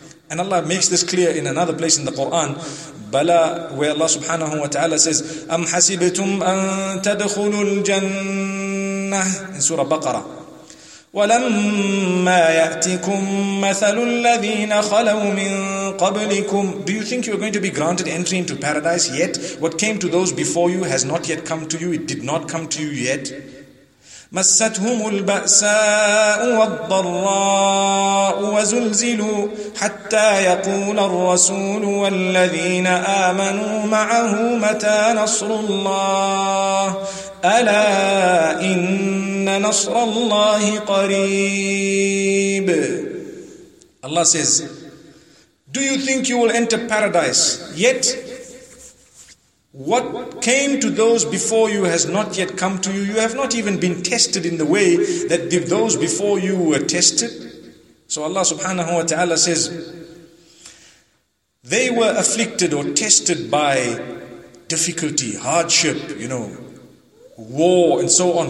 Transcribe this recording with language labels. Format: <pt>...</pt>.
<en>And Allah makes this clear in another place in the Quran, Bala, where Allah subhanahu wa ta'ala says,</en> <ar>Am hasibtum an tadkhulu al-jannah,</ar> <en>in Surah Baqarah.</en> <ar>Walamma ya'tikum mathalu alladhina khalaw min qablikum.</ar> <en>Do you think you are going to be granted entry into paradise yet? What came to those before you has not yet come to you, it did not come to you yet.</en> <ar>مستهم البأساء والضراء وزلزلوا حتى يقول الرسول والذين آمنوا معه متى نصر الله ألا إن نصر الله قريب.</ar> <en>Allah says, do you think you will enter paradise yet? What came to those before you has not yet come to you. You have not even been tested in the way that those before you were tested. So Allah subhanahu wa ta'ala says, they were afflicted or tested by difficulty, hardship, you know, war and so on.</en>